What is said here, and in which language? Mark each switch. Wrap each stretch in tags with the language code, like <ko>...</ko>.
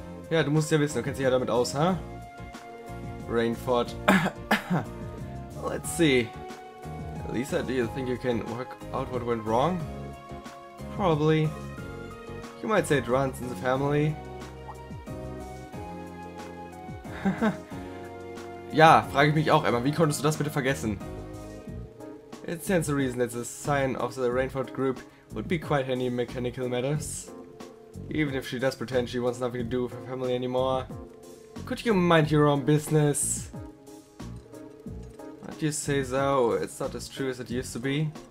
<de>Ja, du musst ja wissen, du kennst dich ja damit aus, huh?</de> <en>Rainford. Let's see. Lisa, do you think you can work out what went wrong? Probably. You might say it runs in the family.</en> <de>Ja, frage ich mich auch, Emma, wie konntest du das bitte vergessen?</de> <en>It stands to reason that the sign of the Rainford Group would be quite handy in mechanical matters. Even if she does pretend she wants nothing to do with her family anymore. Could you mind your own business? What do you say, though? It's not as true as it used to be.</en>